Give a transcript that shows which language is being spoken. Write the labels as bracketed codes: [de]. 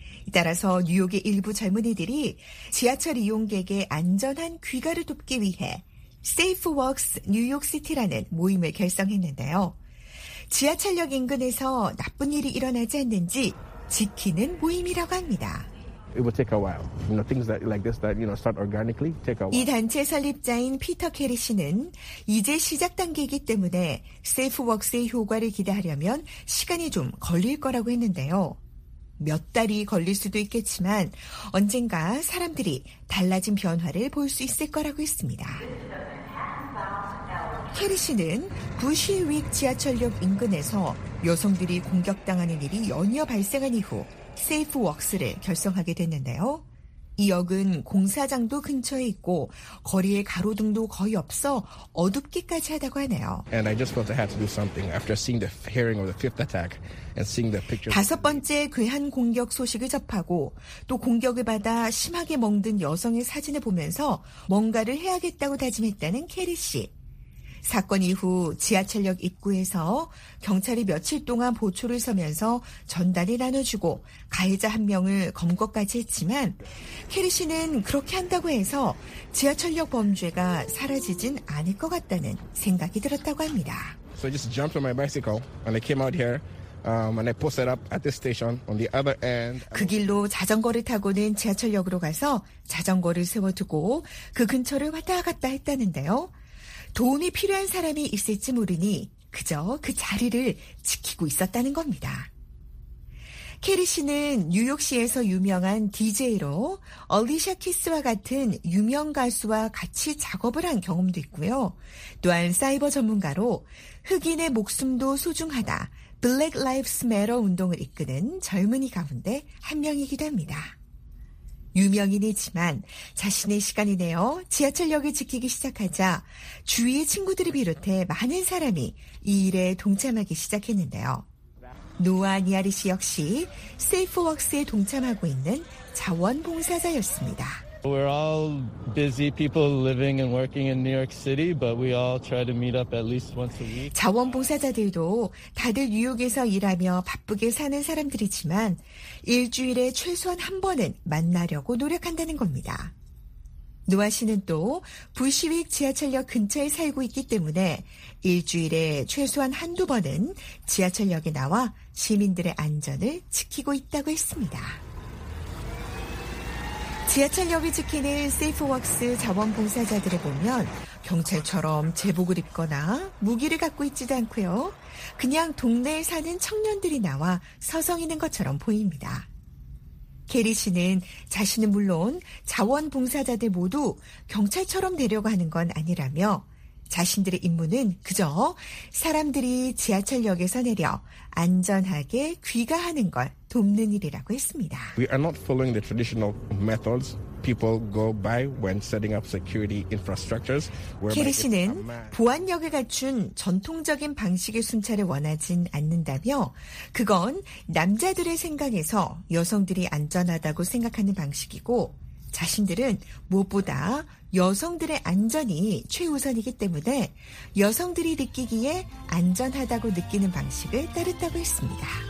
[ko] 따라서 뉴욕의 일부 젊은이들이 지하철 이용객의 안전한 귀가를 돕기 위해 Safe Walks New York City라는 모임을 결성했는데요. 지하철역 인근에서 나쁜 일이 일어나지 않는지 지키는 모임이라고 합니다. [en] It will take a while. You know, things that like this that you know start organically take a while. [ko] 이 단체 설립자인 피터 캐리 씨는 이제 시작 단계이기 때문에 Safe Walks의 효과를 기대하려면 시간이 좀 걸릴 거라고 했는데요. 몇 달이 걸릴 수도 있겠지만 언젠가 사람들이 달라진 변화를 볼 수 있을 거라고 했습니다. 캐리 씨는 부시윅 지하철역 인근에서 여성들이 공격당하는 일이 연이어 발생한 이후 세이프웍스를 결성하게 됐는데요. 이 역은 공사장도 근처에 있고 거리에 가로등도 거의 없어 어둡기까지 하다고 하네요. [en] And I just felt I had to do something after seeing the hearing of the fifth attack and seeing the picture. [ko] 다섯 번째 괴한 공격 소식을 접하고 또 공격을 받아 심하게 멍든 여성의 사진을 보면서 뭔가를 해야겠다고 다짐했다는 캐리 씨. 사건 이후 지하철역 입구에서 경찰이 며칠 동안 보초를 서면서 전단을 나눠주고 가해자 한 명을 검거까지 했지만 캐리 씨는 그렇게 한다고 해서 지하철역 범죄가 사라지진 않을 것 같다는 생각이 들었다고 합니다. [en] So I just jumped on my bicycle and I came out here. And I posted up at the station on the other end. [ko] 그 길로 자전거를 타고는 지하철역으로 가서 자전거를 세워두고 그 근처를 왔다 갔다 했다는데요. 도움이 필요한 사람이 있을지 모르니 그저 그 자리를 지키고 있었다는 겁니다. 캐리 씨는 뉴욕시에서 유명한 DJ로 얼리샤 키스와 같은 유명 가수와 같이 작업을 한 경험도 있고요. 또한 사이버 전문가로 흑인의 목숨도 소중하다 Black Lives Matter 운동을 이끄는 젊은이 가운데 한 명이기도 합니다. 유명인이지만 자신의 시간이 되어 지하철역을 지키기 시작하자 주위의 친구들을 비롯해 많은 사람이 이 일에 동참하기 시작했는데요. 노아 니아리 씨 역시 Safe Walks에 동참하고 있는 자원봉사자였습니다. [en] We're all busy people living and working in New York City, but we all try to meet up at least once a week. [ko] 자원봉사자들도 다들 뉴욕에서 일하며 바쁘게 사는 사람들이지만 일주일에 최소한 한 번은 만나려고 노력한다는 겁니다. 노아 씨는 또 부시윅 지하철역 근처에 살고 있기 때문에 일주일에 최소한 한두 번은 지하철역에 나와 시민들의 안전을 지키고 있다고 했습니다. 지하철역을 지키는 세이프웍스 자원봉사자들을 보면 경찰처럼 제복을 입거나 무기를 갖고 있지도 않고요. 그냥 동네에 사는 청년들이 나와 서성이는 것처럼 보입니다. 캐리 씨는 자신은 물론 자원봉사자들 모두 경찰처럼 되려고 하는 건 아니라며 자신들의 임무는 그저 사람들이 지하철역에서 내려 안전하게 귀가하는 걸 돕는 일이라고 했습니다. [en] We are not following the traditional methods people go by when setting up security infrastructures. [ko] 캐리 씨는 보안력을 갖춘 전통적인 방식의 순찰을 원하진 않는다며 그건 남자들의 생각에서 여성들이 안전하다고 생각하는 방식이고 자신들은 무엇보다 여성들의 안전이 최우선이기 때문에 여성들이 느끼기에 안전하다고 느끼는 방식을 따르다고 했습니다.